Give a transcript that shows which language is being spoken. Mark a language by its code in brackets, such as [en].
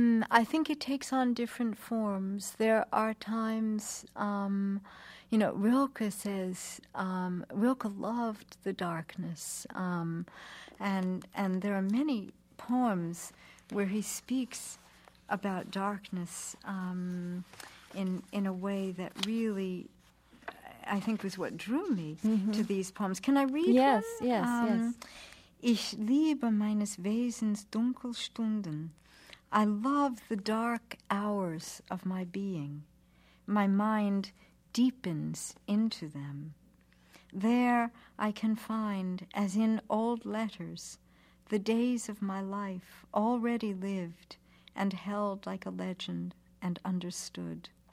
[en] I think it takes on different forms. There are times, Rilke says, Rilke loved the darkness. And there are many poems where he speaks about darkness in a way that really, I think, was what drew me mm-hmm. to these poems. Can I read yes, one? Yes, yes. [de] Ich liebe meines Wesens Dunkelstunden. [en] I love the dark hours of my being. My mind deepens into them. There I can find, as in old letters, the days of my life already lived and held like a legend and understood.